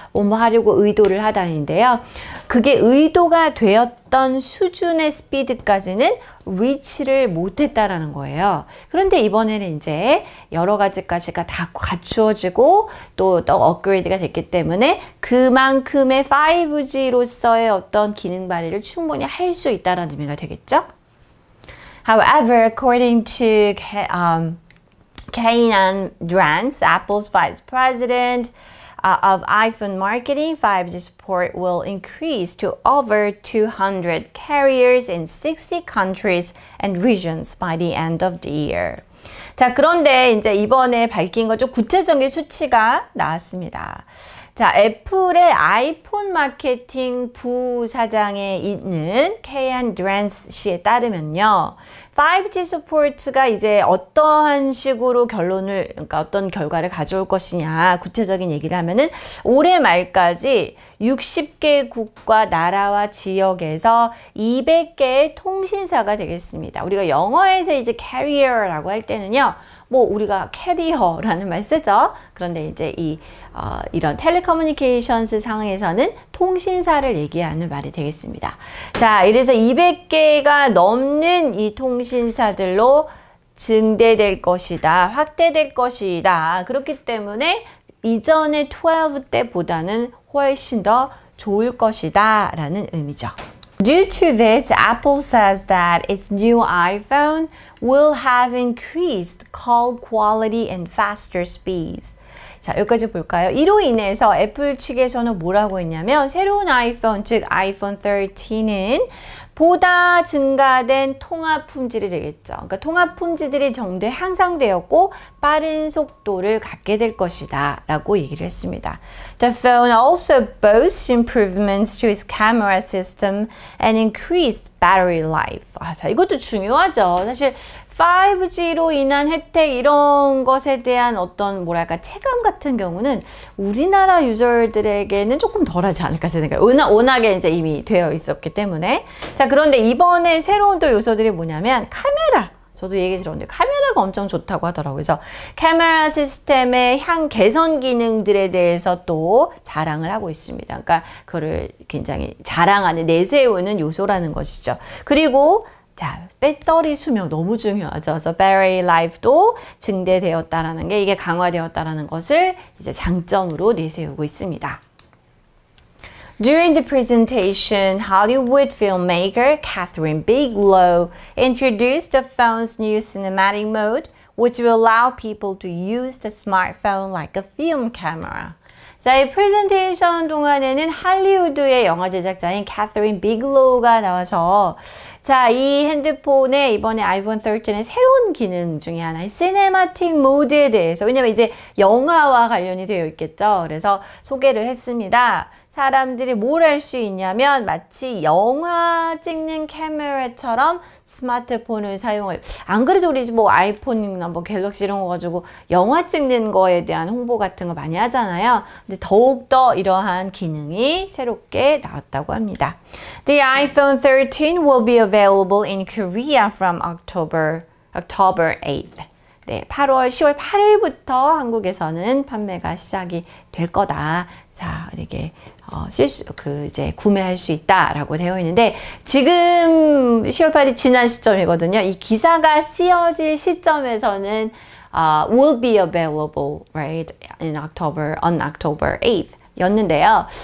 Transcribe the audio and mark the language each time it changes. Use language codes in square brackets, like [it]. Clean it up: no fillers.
[ko] 뭐 하려고 의도를 하다인데요. 그게 의도가 되었던 수준의 스피드까지는 reach를 못했다라는 거예요. 그런데 이번에는 이제 여러 가지까지가 다 갖추어지고 또 업그레이드가 됐기 때문에 그만큼의 5G로서의 어떤 기능 발휘를 충분히 할 수 있다라는 의미가 되겠죠? [en] However, according to Kainan Drans, Apple's Vice President of iPhone marketing, 5G support will increase to over 200 carriers in 60 countries and regions by the end of the year. [ko] 자, 그런데 이제 이번에 밝힌 거죠. 구체적인 수치가 나왔습니다. 자, 애플의 아이폰 마케팅 부사장에 있는 Kayan Drans 씨에 따르면요. 5G 서포트가 이제 어떠한 식으로 결론을, 그러니까 어떤 결과를 가져올 것이냐, 구체적인 얘기를 하면은 올해 말까지 60개 국가, 나라와 지역에서 200개의 통신사가 되겠습니다. 우리가 영어에서 이제 carrier라고 할 때는요. 뭐 우리가 캐리어라는 말 쓰죠. 그런데 이제 이런 텔레커뮤니케이션스 상황에서는 통신사를 얘기하는 말이 되겠습니다. 자, 이래서 200개가 넘는 이 통신사들로 증대될 것이다. 확대될 것이다. 그렇기 때문에 이전의 12 때보다는 훨씬 더 좋을 것이다 라는 의미죠. [en] Due to this, Apple says that its new iPhone will have increased call quality and faster speeds. [ko] 자, 여기까지 볼까요? 이로 인해서 애플 측에서는 뭐라고 했냐면 새로운 아이폰, 즉 아이폰 13은 보다 증가된 통화 품질이 되겠죠. 그러니까 통화 품질이 정도 향상되었고 빠른 속도를 갖게 될 것이다 라고 얘기를 했습니다. [en] The phone also boasts improvements to its camera system and increased battery life. [ko] 아, 자, 이것도 중요하죠. 사실 5G로 인한 혜택 이런 것에 대한 어떤 뭐랄까 체감 같은 경우는 우리나라 유저들에게는 조금 덜하지 않을까 생각해요. 워낙에 이제 이미 되어 있었기 때문에. 자, 그런데 이번에 새로운 또 요소들이 뭐냐면 카메라. 저도 얘기 들었는데 카메라가 엄청 좋다고 하더라고요. 그래서 카메라 시스템의 향 개선 기능들에 대해서 또 자랑을 하고 있습니다. 그러니까 그거를 굉장히 자랑하는 내세우는 요소라는 것이죠. 그리고 자, 배터리 수명 너무 중요하죠. 그래서 battery life도 증대되었다라는 게 이게 강화되었다라는 것을 이제 장점으로 내세우고 있습니다. [en] During the presentation, Hollywood filmmaker Catherine Bigelow introduced the phone's new cinematic mode, which will allow people to use the smartphone like a film camera. [ko] 자, 이 프레젠테이션 동안에는 할리우드의 영화 제작자인 캐서린 비글로우가 나와서 자, 이 핸드폰에 이번에 아이폰 13의 새로운 기능 중에 하나인 시네마틱 모드에 대해서 왜냐면 이제 영화와 관련이 되어 있겠죠. 그래서 소개를 했습니다. 사람들이 뭘 할 수 있냐면 마치 영화 찍는 카메라처럼 스마트폰을 사용을 안 그래도 우리 뭐 아이폰이나 뭐 갤럭시 이런 거 가지고 영화 찍는 거에 대한 홍보 같은 거 많이 하잖아요. 근데 더욱더 이러한 기능이 새롭게 나왔다고 합니다. [en] The iPhone 13 will be available in Korea from October 8th. [ko] 네, 10월 8일부터 한국에서는 판매가 시작이 될 거다. 자, 이렇게 이제 구매할 수 있다라고 되어 있는데 지금 10월 8일 지난 시점이거든요. 이 기사가 쓰여질 시점에서는 [en] will be available right in October 8th [ko] 였는데요.